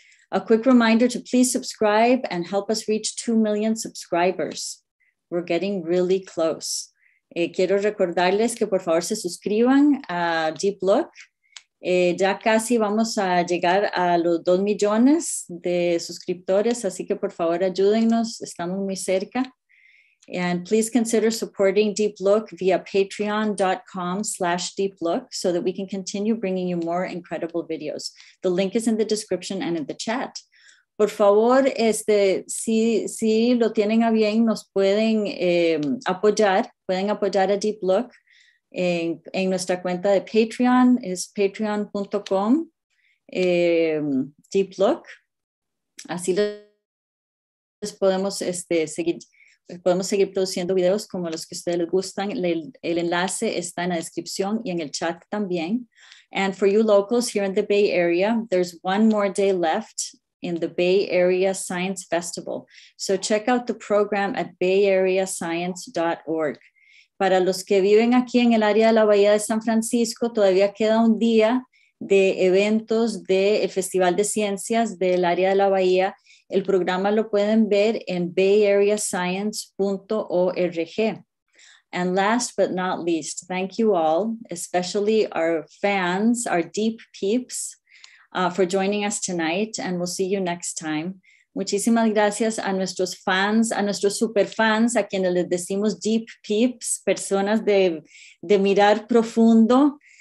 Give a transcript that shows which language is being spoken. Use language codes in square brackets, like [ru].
[en] A quick reminder to please subscribe and help us reach 2 million subscribers. We're getting really close. [es] Quiero recordarles que por favor se suscriban a Deep Look. Ya casi vamos a llegar a los 2 millones de suscriptores, así que por favor ayúdennos, estamos muy cerca. [en] And please consider supporting Deep Look via patreon.com/deeplook so that we can continue bringing you more incredible videos. The link is in the description and in the chat. [es] Por favor, si lo tienen a bien, nos pueden apoyar a Deep Look en nuestra cuenta de Patreon, es patreon.com Deep Look. Así les podemos seguir. Podemos seguir produciendo videos como los que ustedes les gustan. El enlace está en la descripción y en el chat también. [en] And for you locals here in the Bay Area, there's one more day left in the Bay Area Science Festival. So check out the program at bayareascience.org. [es] Para los que viven aquí en el área de la Bahía de San Francisco, todavía queda un día de eventos del Festival de Ciencias del área de la Bahía. El programa lo pueden ver en bayareascience.org. [en] And last but not least, thank you all, especially our fans, our deep peeps, for joining us tonight, and we'll see you next time. [es] Muchísimas gracias a nuestros fans, a nuestros super fans, a quienes les decimos deep peeps, personas de mirar profundo.